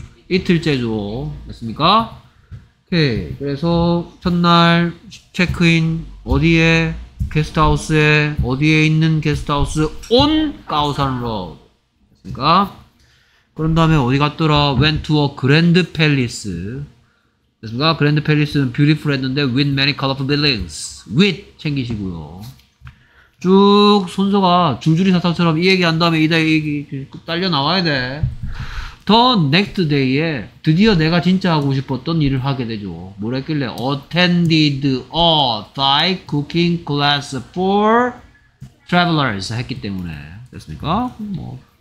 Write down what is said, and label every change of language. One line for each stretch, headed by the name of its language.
Korean: 이틀째죠. 됐습니까? 오케이. 그래서 첫날 체크인 어디에? 게스트하우스에, 어디에 있는 게스트하우스? 온 까오산 로드. 됐습니까? 그런 다음에 어디 갔더라?
English: Went to a Grand Palace.
Korean: 됐습니까?
English: Grand Palace는 beautiful
Korean: 했는데
English: with many colorful buildings.
Korean: with 챙기시고요. 쭉 순서가 줄줄이 사탕처럼 이 얘기 한 다음에 이 얘기 딸려 나와야 돼. The next day에 드디어 내가 진짜 하고 싶었던 일을 하게 되죠. 뭘 했길래?
English: Attended a Thai cooking class for travelers
Korean: 했기 때문에. 됐습니까? 뭐.